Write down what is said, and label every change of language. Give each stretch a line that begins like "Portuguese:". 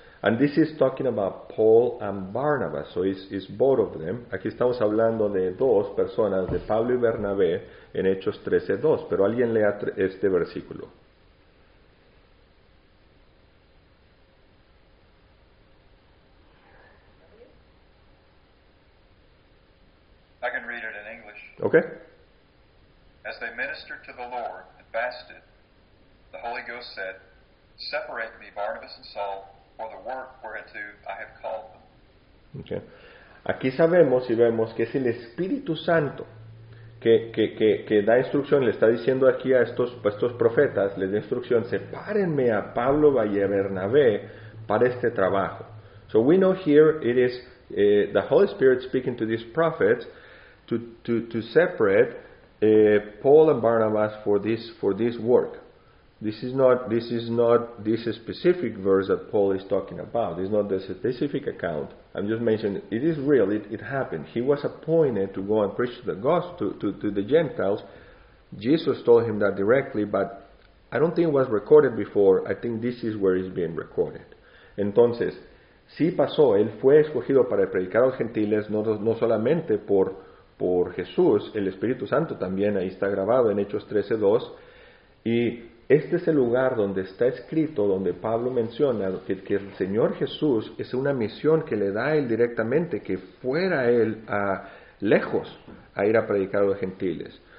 English: And this is talking about Paul and Barnabas, so it's both of them.
Spanish: Aquí estamos hablando de dos personas, de Pablo y Bernabé, en Hechos 13:2. Pero alguien lea este versículo.
English: I can read it in English. Okay. As they ministered to the Lord and fasted, the Holy Ghost said, "Separate me, Barnabas and Saul, for the work whereunto I have called them." Okay.
Spanish: Aquí sabemos y vemos que es el Espíritu Santo que da instrucción, le está diciendo aquí a estos profetas, les da instrucción, sepárenme a Pablo y a Bernabé para este trabajo.
English: So we know here it is the Holy Spirit speaking to these prophets to separate Paul and Barnabas for this work. This is not this specific verse that Paul is talking about. It's not the specific account. I'm just mentioning it is real. It happened. He was appointed to go and preach the gospel to the Gentiles. Jesus told him that directly, but I don't think it was recorded before. I think this is where it's being recorded.
Spanish: Entonces, sí pasó. Él fue escogido para predicar a los gentiles, no solamente por Jesús, el Espíritu Santo también ahí está grabado en Hechos 13:2. Y este es el lugar donde está escrito, donde Pablo menciona que el Señor Jesús es una misión que le da a él directamente, que fuera él a lejos a ir a predicar a los gentiles.